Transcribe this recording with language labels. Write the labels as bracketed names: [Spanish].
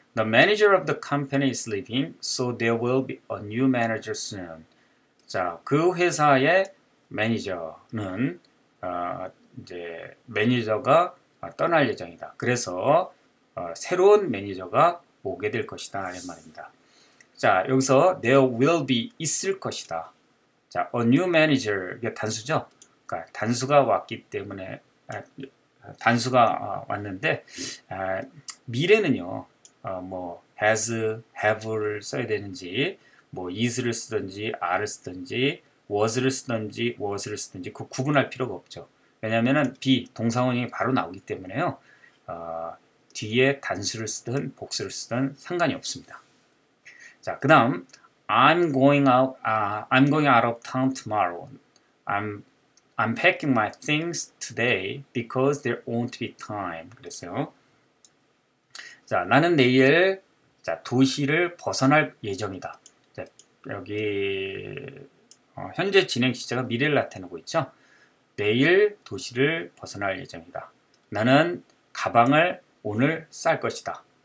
[English] The manager of the company is leaving, so there will be a new manager soon. [Korean] 자, 그 회사의 매니저는, 이제 매니저가 떠날 예정이다. 그래서 새로운 매니저가 오게 될 것이다 이 말입니다. 자, 여기서 [English] there will be [Korean] 있을 것이다. 자, [English] a new manager [Korean] 이게 단수죠. 그러니까 단수가 왔기 때문에 단수가 왔는데 미래는요 뭐 has, have를 써야 되는지 뭐 is를 쓰든지 are를 쓰든지 was를 쓰든지 was를 쓰든지 그 구분할 필요가 없죠. 왜냐하면 be 동사원형이 바로 나오기 때문에요. 뒤에 단수를 쓰든 복수를 쓰든 상관이 없습니다. 자, 그 다음 [English] I'm going out of town tomorrow. I'm packing my things today because there won't be time. [Korean] 그랬어요. 자, 나는 내일 도시를 벗어날 예정이다. 자, 여기 현재 진행 시제가 미래를 나타내고 있죠. 내일 도시를 벗어날 예정이다. 나는 가방을 오늘 쌀 것이다.